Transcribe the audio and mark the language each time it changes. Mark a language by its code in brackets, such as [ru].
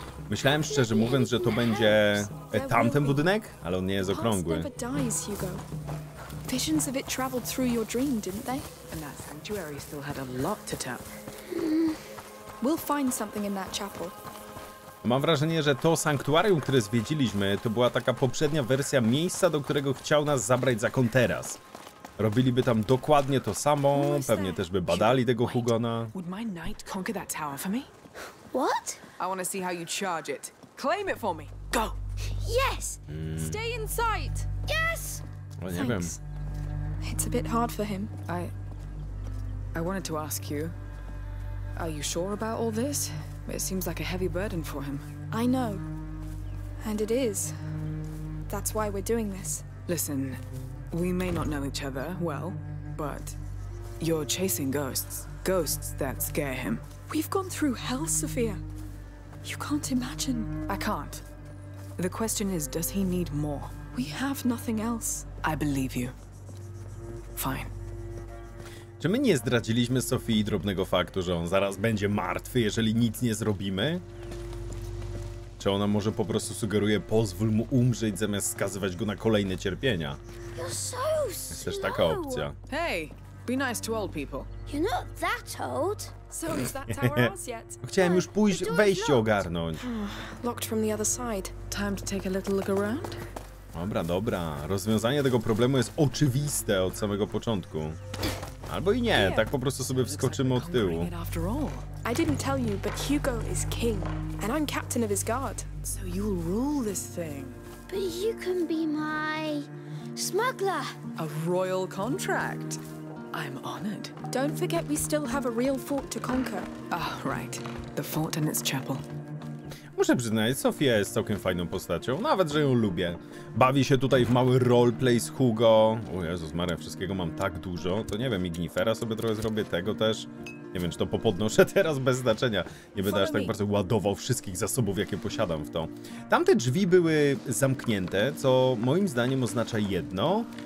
[pl] Myślałem, szczerze mówiąc, że to będzie tamten budynek, ale on nie jest okrągły. [en] Visions of it traveled through your dream, didn't they? And that sanctuary still had a lot to tell. We'll find something in that chapel. [pl] Mam wrażenie, że to sanktuarium, które zwiedziliśmy, to była taka poprzednia wersja miejsca, do którego chciał nas zabrać zakon teraz. Robiliby tam dokładnie to samo, pewnie też by badali tego Hugona. [en] Would my knight conquer that tower for me? What? I want to see how you charge it. Claim it for me. Go. Yes. Stay in sight. Yes. [pl] No, nie wiem. [en] It's a bit hard for him. I wanted to ask you. Are you sure about all this? It seems like a heavy burden for him. I know. And it is. That's why we're doing this. Listen, we may not know each other well, but you're chasing ghosts. Ghosts that scare him. We've gone through hell, Sophia. You can't imagine. I can't. The question is, does he need more? We have nothing else. I believe you. Fine. [pl] Czy my nie zdradziliśmy Sofii drobnego faktu, że on zaraz będzie martwy, jeżeli nic nie zrobimy? Czy ona może po prostu sugeruje, pozwól mu umrzeć, zamiast skazywać go na kolejne cierpienia? Jest też taka opcja. [en] Hey, be nice to old people. You're not that old. So is that tower yet? [pl] Chciałem już pójść wejść ogarnąć. [en] Locked from the other side. Time to take a little look around. [pl] Dobra, dobra. Rozwiązanie tego problemu jest oczywiste od samego początku. Albo i nie, tak po prostu sobie wskoczymy od tyłu. [en] I didn't tell you, but Hugo is king and I'm captain of his guard. So you'll rule this thing. But you can be my smuggler. A royal contract. I'm honored. Don't forget we still have a real fort to conquer. Ah, oh, right. The fort and its chapel. [pl] Muszę przyznać, Sofia jest całkiem fajną postacią, nawet że ją lubię. Bawi się tutaj w mały roleplay z Hugo. O Jezus Maria, wszystkiego mam tak dużo. To nie wiem, Ignifera sobie trochę zrobię, tego też. Nie wiem, czy to popodnoszę teraz bez znaczenia. Nie będę aż tak bardzo ładował wszystkich zasobów, jakie posiadam w to. Tamte drzwi były zamknięte, co moim zdaniem oznacza jedno.